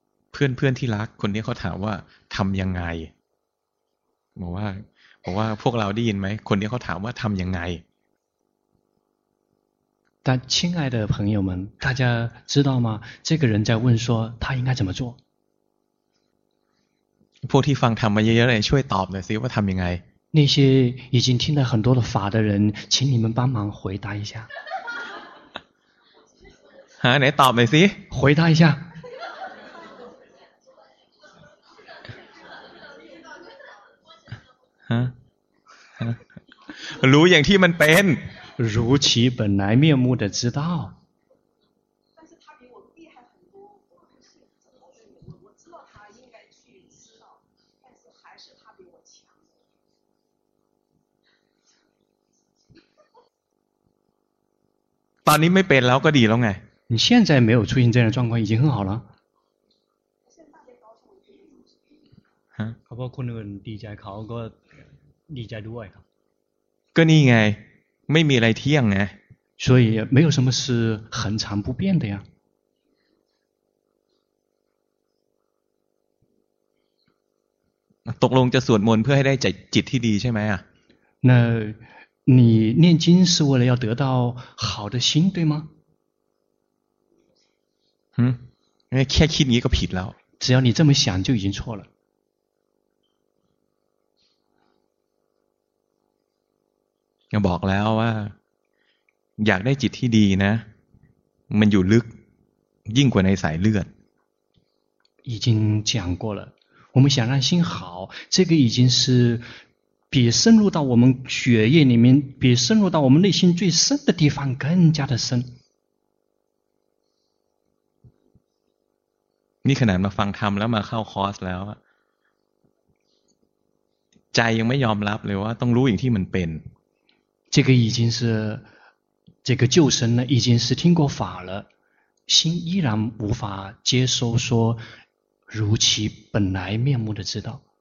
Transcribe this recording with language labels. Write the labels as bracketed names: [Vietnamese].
[Thai] เพื่อนเพื่อนที่รักคนนี้เขาถามว่าทำยังไงบอกว่าพวกเราได้ยินไหมคนนี้เขาถามว่าทำยังไง [Chinese] 但亲爱的朋友们大家知道吗这个人在问说他应该怎么做 [Thai] พวกที่ฟังธรรมมาเยอะๆเลยช่วยตอบหน่อยสิว่าทำยังไง [Chinese] 那些已经听了很多的法的人请你们帮忙回答一下 [Thai] ฮะไหนตอบหน่อยสิ [Chinese] 回答一下 [Thai] ฮะรู้อย่างที่มันเป็น [Chinese] 如其本来面目的知道 [Thai] ตอนนี้ไม่เป็นแล้วก็ดีแล้วไง [Chinese] 你现在没有出现这样的状况已经很好了 [Thai] เข าบอกคนอื่นดีใจเขาก็ดีใจด้วยครับ ก็นี่ไงไม่มีอะไรเที่ยงไง [Chinese] 所以没有什么是恒常不变的呀 [Thai] ตกลงจะสวดมนต์เพื่อให้ได้จิตที่ดีใช่ไหมอ่ะ [Chinese] 那你念经是为了要得到好的心对吗 [Thai] 嗯แค่คิดนี้ก็ผิดแล้ว [Chinese] 只要你这么想就已经错了 [Thai] ก็บอกแล้วว่าอยากได้จิตที่ดีนะมันอยู่ลึกยิ่งกว่าในสายเลือด [Chinese] 已经讲过了我们想让心好这个已经是比深入到我们血液里面比深入到我们内心最深的地方更加的深 [Thai] นี่ขนาดมาฟังธรรมแล้วมาเข้าคอร์สแล้วใจยังไม่ยอมรับเลยว่าต้องรู้อย่างที่มันเป็น [Chinese] 这个已经是这个救生了已经是听过法了心依然无法接收说如其本来面目的知道